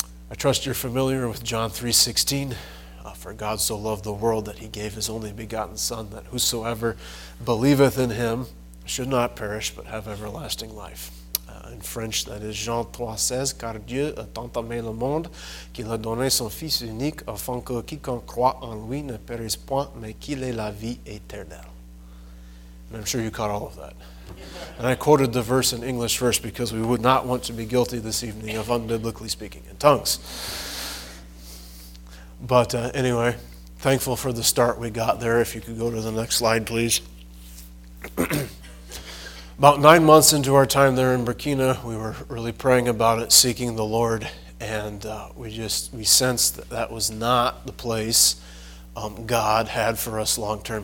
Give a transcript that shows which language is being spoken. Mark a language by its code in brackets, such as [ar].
[en] I trust you're familiar with John 3:16, for God so loved the world that he gave his only begotten Son, that whosoever believeth in him should not perish, but have everlasting life. In French, that is [fr] Jean 3:16, car Dieu a tant aimé le monde qu'il a donné son Fils unique, afin que quiconque croit en lui ne périsse point, mais qu'il ait la vie éternelle. [en] And I'm sure you caught all of that. And I quoted the verse in English first because we would not want to be guilty this evening of unbiblically speaking in tongues. But anyway, thankful for the start we got there. If you could go to the next slide, please. About 9 months into our time there in Burkina, we were really praying about it, seeking the Lord, and we sensed that that was not the place God had for us long term.